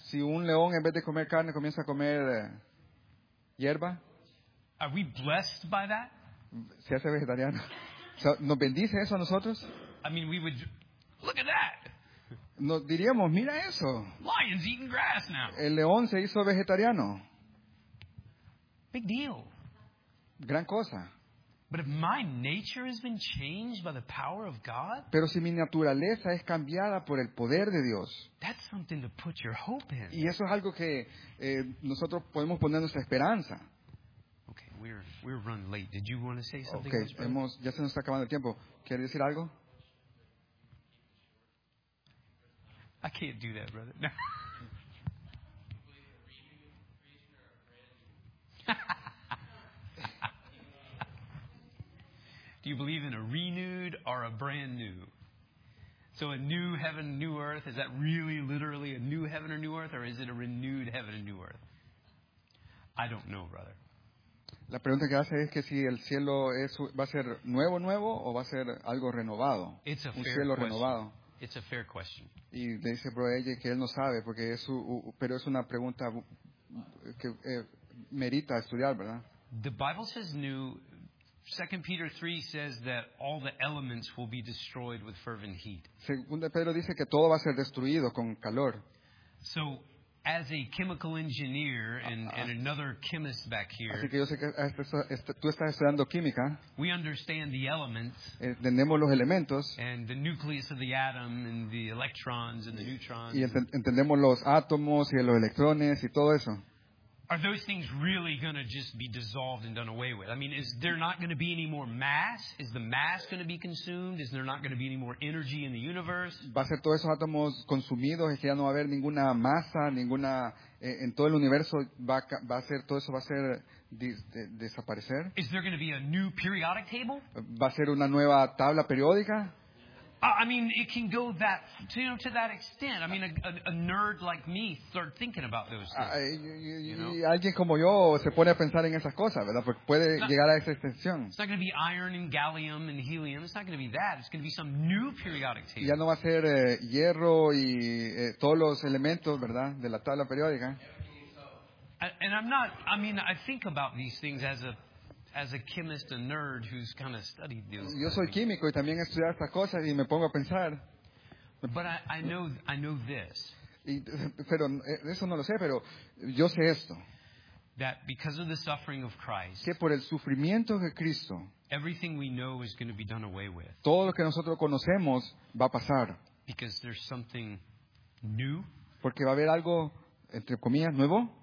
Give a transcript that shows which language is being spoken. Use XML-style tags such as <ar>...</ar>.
<es>Si un león en vez de comer carne comienza a comer hierba?</es> <en>Are we blessed by that?</en> <es>¿Se hace vegetariano? ¿Nos bendice eso a nosotros?</es> <en>I mean, we would look at that.</en> <es>Nos diríamos, mira eso.</es> <en>Lion's eating grass now.</en> <es>El león se hizo vegetariano.</es> <en>Big deal.</en> <es>Gran cosa.</es> <en>But if my nature has been changed by the power of God,</en> <es>pero si mi naturaleza es cambiada por el poder de Dios,</es> <en>that's something to put your hope in.</en> <es>Y eso es algo que nosotros podemos poner nuestra esperanza.</es> <en>We're running late. Did you want to say something?</en> <es>Okay, ya se nos está acabando el tiempo. ¿Quieres decir algo?</es> <en>I can't do that, brother. No. Do you believe in a renewed or a brand new? So a new heaven, new earth, is that really literally a new heaven or new earth, or is it a renewed heaven and new earth? I don't know, brother.</en> <es>La pregunta que hace es que si el cielo es, va a ser nuevo o va a ser algo renovado, un cielo renovado.</es> <en>It's a fair question.</en> <es>Y le dice Bro AJ que él no sabe, porque es pero es una pregunta que merita estudiar, ¿verdad?</es> <en>The Bible says new. 2 Peter 3 says that all the elements will be destroyed with fervent heat.</en> <es>Segunda Pedro dice que todo va a ser destruido con calor.</es> <en>So, as a chemical engineer and another chemist back here,</en> <es>así que yo sé que tú estás estudiando química.</es> <en>We understand the elements.</en> <es>Entendemos los elementos.</es> <en>And the nucleus of the atom and the electrons and the neutrons.</en> <es>Y entendemos los átomos y los electrones y todo eso.</es> <en>Are those things really going to just be dissolved and done away with? I mean, is there not going to be any more mass? Is the mass going to be consumed? Is there not going to be any more energy in the universe?</en> <es>¿Va a ser todos esos átomos consumidos? ¿Es que ya no va a haber ninguna masa, ninguna en todo el universo? ¿Va a ser todo eso va a ser desaparecer?</es> <en>Is there going to be a new periodic table?</en> <es>¿Va a ser una nueva tabla periódica?</es> <en>I mean, it can go that to that extent. I mean, a nerd like me start thinking about those things.</en> <es>Alguien como yo se pone a pensar en esas cosas, ¿verdad? Porque puede llegar a esa extensión.</es> <en>It's not going to be iron and gallium and helium. It's not going to be that. It's going to be some new periodic table.</en> <es>Ya no va a ser hierro y todos los elementos, ¿verdad? De la tabla periódica.</es> <en>And I'm not. I mean, I think about these things as a chemist, a nerd who's kind of studied these things.</en> <es>Yo soy químico y también he estudiado estas cosas y me pongo a pensar.</es> <en>But I know this.</en> <es>Pero eso no lo sé, pero yo sé esto.</es> <en>That because of the suffering of Christ.</en> <es>Que por el sufrimiento de Cristo.</es> <en>Everything we know is going to be done away with.</en> <es>Todo lo que nosotros conocemos va a pasar.</es> <en>Because there's something new.</en> <es>Porque va a haber algo entre comillas nuevo.</es>